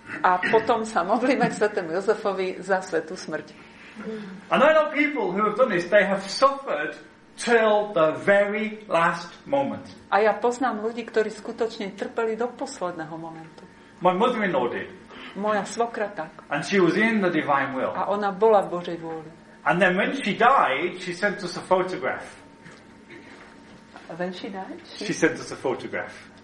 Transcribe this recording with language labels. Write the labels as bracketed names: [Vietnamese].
[Slovak] A potom sa modlíme k svätému Jozefovi za svätú smrť. [English] And I know people who have done this, they have suffered till the very last moment. [Slovak] A ja poznám ľudí, ktorí skutočne trpeli do posledného momentu. [English] My mother-in-law did. [Slovak] Moja svokra tak. [English] And she was in the divine will. [Slovak] A ona bola v Božej vôli. [English] And then when she died, she sent us a photograph. And then she died. She sent us a photograph.